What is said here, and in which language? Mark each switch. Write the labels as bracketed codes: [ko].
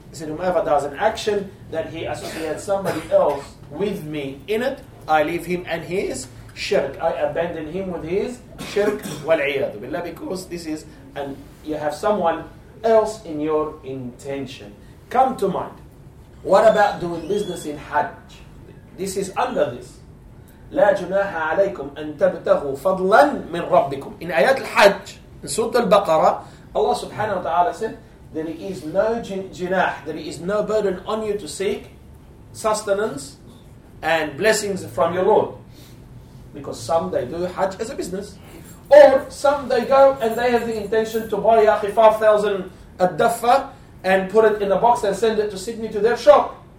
[en] He said, whoever does an action that he associates somebody else with me in it, I leave him and his shirk. I abandon him with his shirk [ar] وَالْعِيَادُ بِاللَّهِ. [en] Because this is, and you have someone else in your intention. Come to mind, what about doing business in Hajj? This is under this. [ar] لا جناح عليكم أن تبتغوا فضلا من ربكم. [en] In Ayat al-Hajj, in Surah al-Baqarah, Allah subhanahu wa ta'ala said, there is no jinah, there is no burden on you to seek sustenance and blessings from your Lord. Because some they do hajj as a business. Or some they go and they have the intention to buy 5,000 ad-daffa and put it in a box and send it to Sydney to their shop.